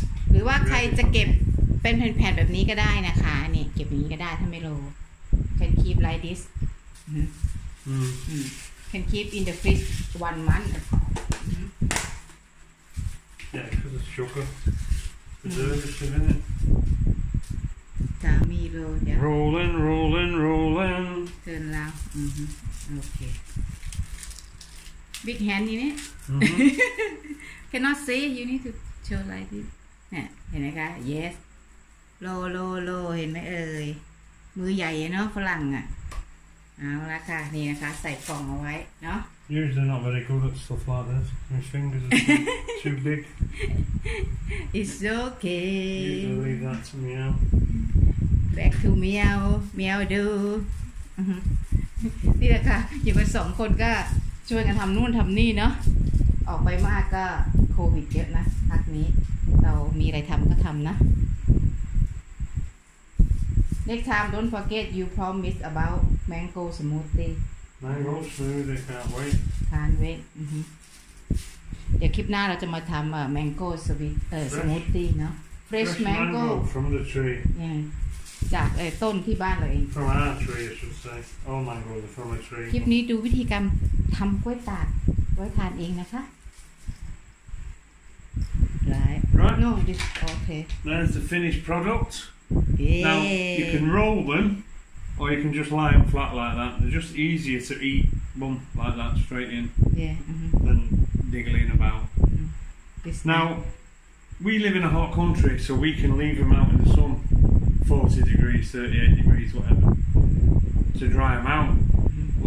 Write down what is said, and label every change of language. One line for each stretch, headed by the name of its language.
Thai: หรือว่าใครจะเก็บเป็นแผ่นๆแบบนี้ก็ได้นะคะนี่เก็บนี้ก็ได้ถ้าไม่โล
English: can keep like this can keep in the fridge 1 month yeah because it's sugar preservative in it
Thai: สามีโล yeah
English: rolling rolling rolling
Thai: เตือนแล้ว
English: okay big hand in it cannot see you need to show like this
Thai: เห็นไหมคะ yesโลโลโลเห็นไหมเอ่ยมือใหญ่เนาะฝรั่งอ่ะเอาละค่ะนี่นะคะใส่กล่องเอาไว้เนาะ
English: usually not very good at stuff like this my fingers are too big it's okay usually leave that to meow back to meow meow do
Thai: นี่แหละค่ะอยู่กันสองคนก็ช่วยกันทำนู่นทำนี่เนาะออกไปมากก็โควิดเยอะนะพักนี้เรามีอะไรทำก็ทำนะ
English: Next time, don't forget you promised about mango smoothie. Mango smoothie, can't wait. Can't wait.
Thai: เดี๋ยวคลิปหน้าเราจะมาทำ mango smoothie เนาะ
English: Fresh mango from the tree. Yeah.
Thai: จากต้นที่บ้านเลย
English: from our tree I should say all mangoes are from a tree
Thai: คลิปนี้ดูวิธีการทำกล้วยตากไว้ทานเองนะคะ
English: right no this okay there's the finished product yeah. now you can roll them or you can just lie them flat like that they're just easier to eat bump like that straight in yeah than diggling about mm-hmm. now we live in a hot country so we can leave them out in the sun 40 degrees 38 degrees whatever to dry them out mm-hmm.